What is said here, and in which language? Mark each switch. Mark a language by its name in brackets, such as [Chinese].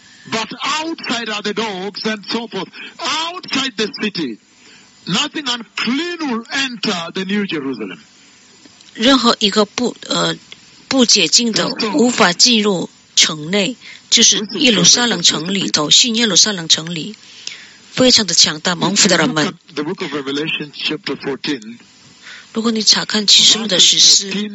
[English] But outside are the dogs and so forth. Outside the city, nothing unclean will enter the New Jerusalem. [Chinese] 任何一个不洁净的无法进入城内，就是耶路撒冷城里头，新耶路撒冷城里，非常的强大，蒙福的人们。 [English] The book of Revelation, chapter 14, [Chinese] 如果你查看启示录的十四